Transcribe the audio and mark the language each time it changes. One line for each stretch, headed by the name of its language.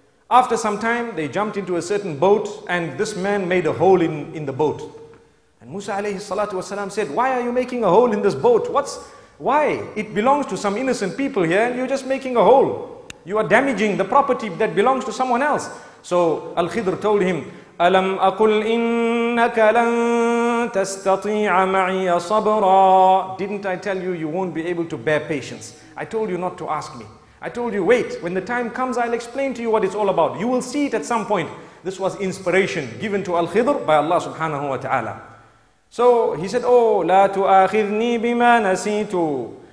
English: After some time, they jumped into a certain boat, and this man made a hole in the boat. And Musa alayhi salatu wasalam said, why are you making a hole in this boat? Why? It belongs to some innocent people here, and you're just making a hole. You are damaging the property that belongs to someone else. So Al-Khidr told him,
Arabic: أَلَمْ أَقُلْ إِنَّكَ لَن تَسْتَطِيعَ مَعِيَ صَبْرًا.
English: Didn't I tell you, you won't be able to bear patience? I told you not to ask me. I told you, wait, when the time comes, I'll explain to you what it's all about. You will see it at some point. This was inspiration given to Al-Khidr by Allah subhanahu wa ta'ala. So he said, oh,
Arabic: لَا تُؤَخِذْنِي بِمَا نَسِيتُ.